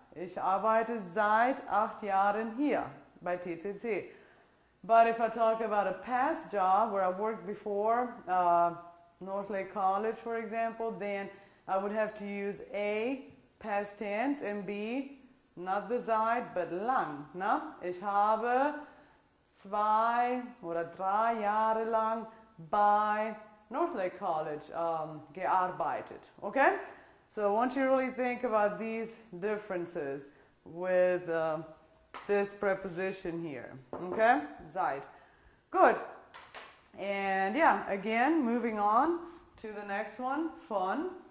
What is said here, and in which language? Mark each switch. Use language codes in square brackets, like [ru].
[de] Ich arbeite seit 8 Jahren hier bei TCC. [en] But if I talk about a past job where I worked before, North Lake College, for example, then I would have to use A, past tense, and B, not the Zeit, but lang. Na? [de] Ich habe 2 oder 3 Jahre lang bei North Lake College gearbeitet. [en] Okay? So I want you to really think about these differences with this preposition here. Okay? Zeit. Good. And yeah, again, moving on to the next one. Fun.